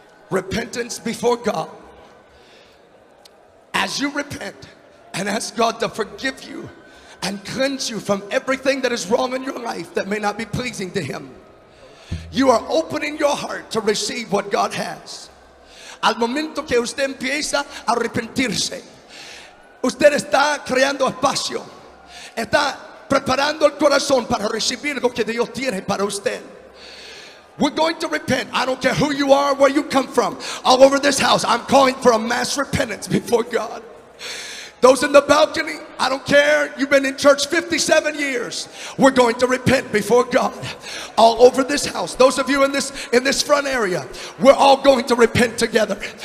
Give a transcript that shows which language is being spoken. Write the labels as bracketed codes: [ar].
[en] Repentance before God. As you repent and ask God to forgive you and cleanse you from everything that is wrong in your life that may not be pleasing to Him, you are opening your heart to receive what God has. [es] Al momento que usted empieza a arrepentirse, usted está creando espacio, está preparando el corazón para recibir lo que Dios tiene para usted. [en] We're going to repent. I don't care who you are, where you come from. All over this house, I'm calling for a mass repentance before God. Those in the balcony, I don't care. You've been in church 57 years. We're going to repent before God. All over this house, those of you in this front area, we're all going to repent together.